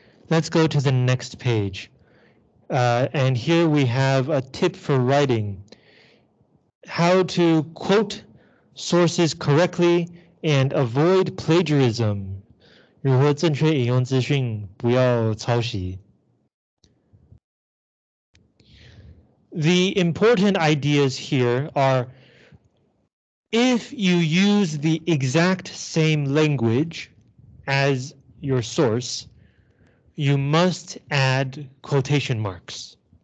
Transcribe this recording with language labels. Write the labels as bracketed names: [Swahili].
[English] Let's go to the next page. And here we have a tip for writing. How to quote sources correctly and avoid plagiarism. [Chinese] 如何正确引用资讯，不要抄袭。 [English] The important ideas here are, if you use the exact same language as your source, you must add quotation marks.